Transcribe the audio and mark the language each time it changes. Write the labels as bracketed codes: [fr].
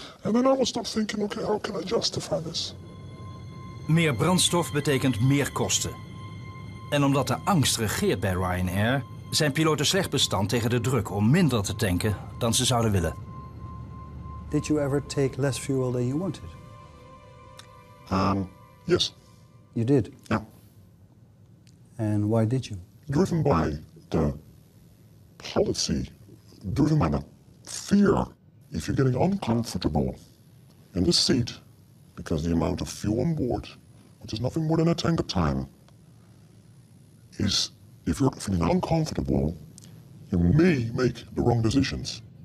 [en] And then I will start thinking, okay, how can I justify this? [nl] Meer brandstof betekent meer kosten. En omdat de angst regeert bij Ryanair, zijn piloten slecht bestand tegen de druk om minder te tanken dan ze zouden willen. [en] Did you ever take less fuel than you wanted? Yes. You did? Yeah. And why did you? Driven by the policy, driven by the fear. If you're getting uncomfortable in the seat, because the amount of fuel on board, which is nothing more than a tank of time, is if you're feeling uncomfortable, you may make the wrong decisions.